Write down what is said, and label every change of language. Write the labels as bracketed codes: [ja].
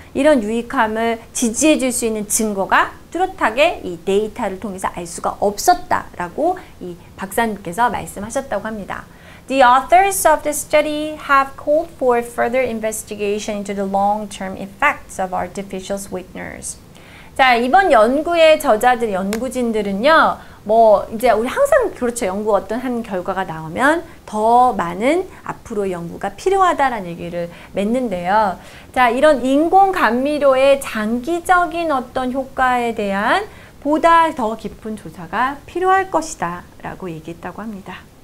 [ko] 이런 유익함을 지지해 줄 수 있는 증거가 뚜렷하게 이 데이터를 통해서 알 수가 없었다라고 이 박사님께서 말씀하셨다고 합니다. [en] The authors of the study have called for further investigation into the long-term effects of artificial sweeteners. [ko] 자, 이번 연구의 저자들, 연구진들은요, 뭐 이제 우리 항상 그렇죠. 연구 어떤 한 결과가 나오면 더 많은 앞으로 연구가 필요하다라는 얘기를 맺는데요. 자, 이런 인공 감미료의 장기적인 어떤 효과에 대한 보다 더 깊은 조사가 필요할 것이다 라고 얘기했다고 합니다.